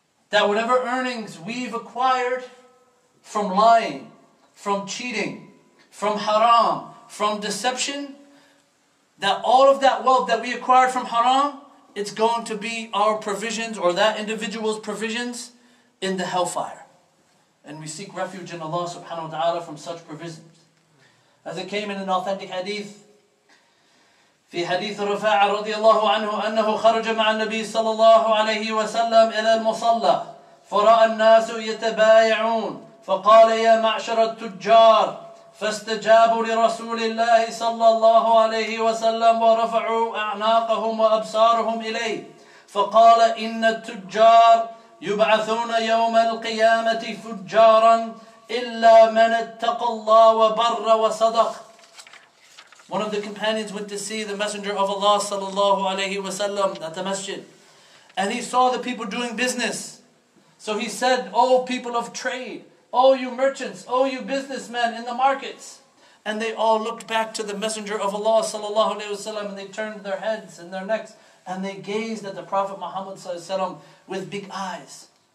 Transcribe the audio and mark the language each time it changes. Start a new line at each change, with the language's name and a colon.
English: That whatever earnings we've acquired from lying, from cheating, from haram, from deception, that all of that wealth that we acquired from haram, it's going to be our provisions or that individual's provisions in the hellfire. And we seek refuge in Allah subhanahu wa ta'ala from such provisions. As it came in an authentic hadith,
Arabic: في حديث رفاعة رضي الله عنه أنه خرج مع النبي صلى الله عليه وسلم إلى المصلى فرأى الناس يتبايعون فقال يا معشر التجار فاستجابوا لرسول الله صلى الله عليه وسلم ورفعوا أعناقهم وأبصارهم إليه فقال إن التجار يبعثون يوم القيامة فجارا إلا من اتقى الله وبر وصدق.
English: One of the companions went to see the Messenger of Allah sallallahu alayhi wa sallam at the masjid. And he saw the people doing business. So he said, O people of trade, O you merchants, O you businessmen in the markets. And they all looked back to the Messenger of Allah sallallahu alayhi wa sallam and they turned their heads and their necks and they gazed at the Prophet Muhammad sallallahu alayhi wa sallam with big eyes.